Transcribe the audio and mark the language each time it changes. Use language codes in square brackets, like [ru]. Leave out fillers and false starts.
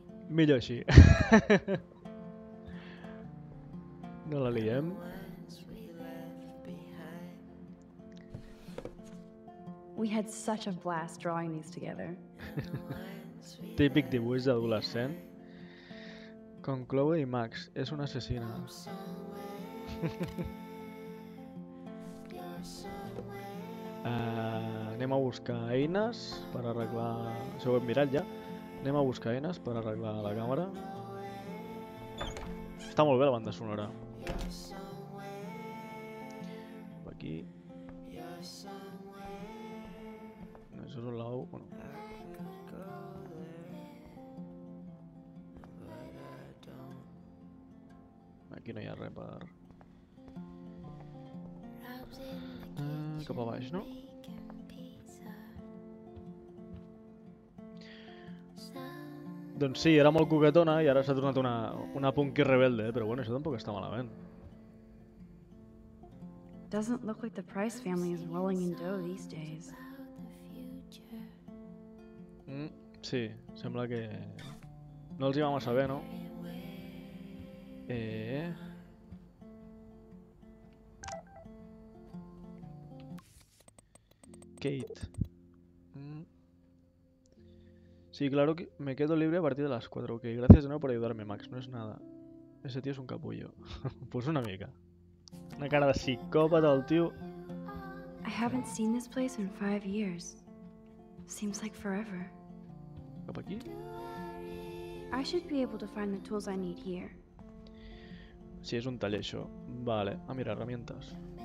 [ca] Millor així. No la liem. [en] We had such a blast drawing these together. [ca] Típic dibuix d'adolescent. Con Chloe i Max, és una assassina. anem a buscar eines per arreglar... Això ho hem mirat ja. Anem a buscar eines per arreglar la càmera. Està molt bé la banda sonora. Aquí. Això és un lau... Bueno. Aquí no hi ha res per... cap a baix, no? Doncs sí, era molt coquetona i ara s'ha tornat una punky rebelde, però bueno, això tampoc està malament. [en] Doesn't look like the Price family is rolling in dough these days. [ca] Sí, sembla que no els hi va massa bé, no? Kate. [es] Sí, claro que me quedo libre a partir de las 4, ok. Gracias de nuevo por ayudarme, Max. No es nada. Ese tío es un capullo. [ca] Pues una mica. [es] Una cara de psicópata el tío. [en] I haven't seen this place in 5 years. Seems like forever. [ca] Cap aquí? [en] I should be able to find the tools I need here. [ca] Sí, és un taller això. Vale, a mirar [es] herramientas.